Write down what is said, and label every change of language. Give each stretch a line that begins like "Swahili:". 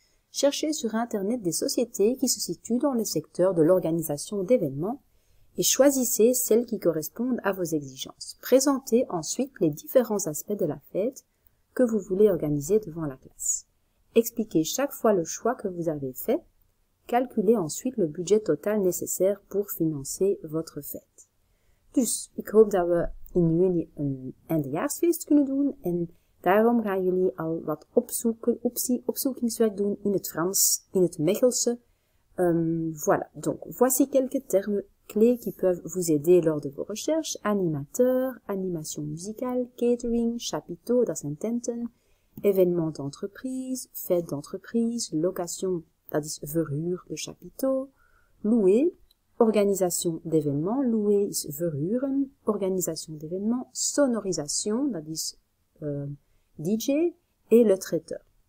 French: Cherchez sur Internet des sociétés qui se situent dans le secteur de l'organisation d'événements et choisissez celles qui correspondent à vos exigences. Présentez ensuite les différents aspects de la fête que vous voulez organiser devant la classe. Expliquez chaque fois le choix que vous avez fait. Calculez ensuite le budget total nécessaire pour financer votre fête.
Dutch: Dus, ik hoop dat we in juni een eindejaarsfeest kunnen doen en daarom gaan jullie al wat opzoekingswerk doen in het Frans, in het Mechelse.
French: Voilà, donc voici quelques termes clés qui peuvent vous aider lors de vos recherches. Animateur, animation musicale, catering, chapiteau,
Dutch: dat is een tenten,
French: événement d'entreprise, fête d'entreprise, location,
Dutch: dat is verhuren,
French: le chapiteau, louer, organisation d'événements, louer
Dutch: is verhuren,
French: organisation d'événements, sonorisation,
Dutch: dat is DJ,
French: et le traiteur.